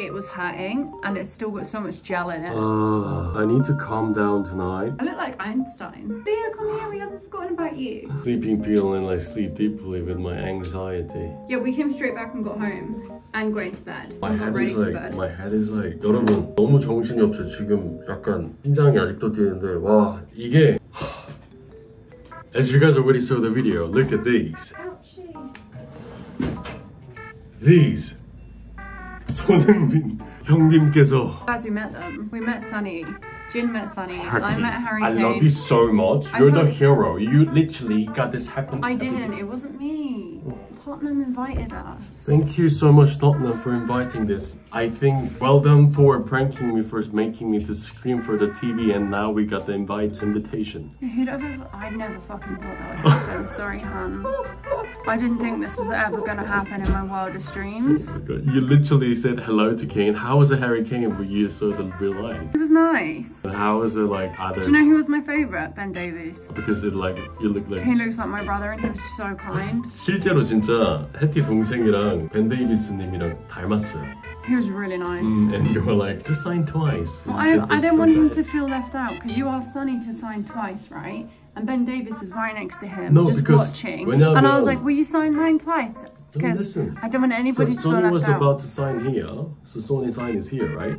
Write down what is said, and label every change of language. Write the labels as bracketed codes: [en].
[en] It was hurting and it's still got so much gel in it. I need to calm down tonight. I look like Einstein. Theo, come here, we have forgotten about you. Sleeping peel and I sleep deeply with my anxiety. Yeah, we came straight back and got home and going to bed. My head is like, [ko] 여러분, 너무 정신이 없어. 지금 약간 심장이 아직도 뛰는데, 와, 이게. [en] As you guys already saw the video, look at these. [ko] These, 손흥민 형님께서. [en] Guys, we met them. We met Sonny. Jin met Sonny. Hattie, I met Harry. I Kane. Love you so much. You're the hero. You literally got this happen. I didn't. It wasn't me. Tottenham invited us. Thank you so much, Tottenham, for inviting this. I think, well done for pranking me, for making me to scream for the TV, and now we got the invitation. I never fucking thought that would happen. Sorry, hon. I didn't think this was ever gonna happen in my wildest dreams. Oh my, you literally said hello to Kane. How was it, Harry Kane, when you saw the real life? It was nice. And how was it, like, other... Do you know who was my favorite? Ben Davies. Because it, like, you look like... He looks like my brother, and he was so kind. [ko] 실제로 진짜 해티 동생이랑 벤 데이비스님이랑 닮았어요. [en] He was really nice. And you were like, to sign twice. Well, I didn't want him to feel left out, because you asked Sonny to sign twice, right? And Ben Davies is right next to him, no, just watching. And I was like, will you sign mine twice? Because I don't want anybody to feel left out. Sonny was about to sign here, so Sonny's sign is here, right?